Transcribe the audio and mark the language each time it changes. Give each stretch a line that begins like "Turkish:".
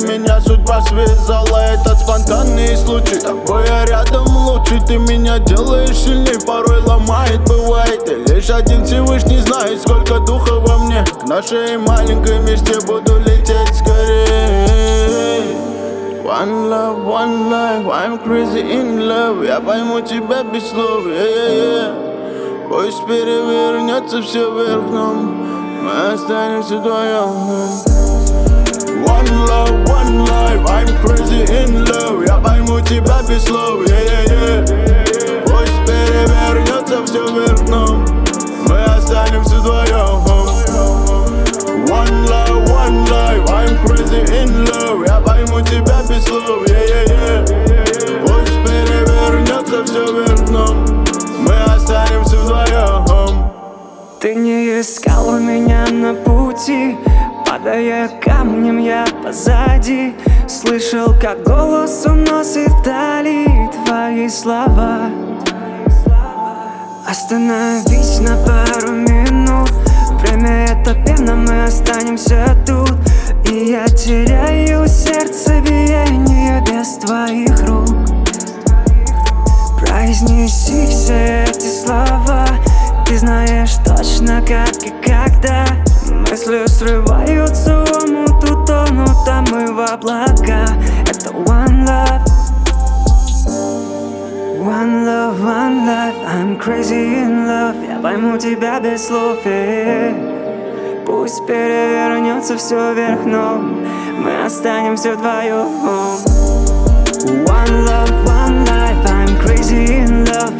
Russian: Меня судьба связала, это спонтанный случай. С тобой я рядом лучше, ты меня делаешь сильней. Порой ломает, бывает, и лишь один Всевышний знает, сколько духа во мне. К нашей маленькой мечте буду лететь скорее.
English: One love, one life, I'm crazy in love.
Russian: Я пойму тебя без слов, yeah. Пусть перевернется все вверх дном, мы останемся вдвоем.
English: One love, one life, I'm crazy in love.
Russian: Я пойму тебя без слов, yeah. Пусть перевернется все вверх дном, мы останемся вдвоем.
English: One love, one life, I'm crazy in love.
Russian: Я пойму тебя без слов, yeah. Пусть перевернется все вверх дном, мы останемся вдвоем. Ты не искал меня на пути, падая камнем я позади. Слышал, как голос уносит вдали твои слова. Остановись на пару минут. Время это пена, мы останемся тут. И я теряю сердцебиение без твоих рук. Произнеси все эти слова. Ты знаешь точно, как и когда. Мысли срываются в омут, утонут, а мы в облака. Это
English: one love. One love, one life, I'm crazy in love.
Russian: Я пойму тебя без слов, пусть перевернется все вверх дном, мы останемся вдвоем.
English: One love, one life, I'm crazy in love.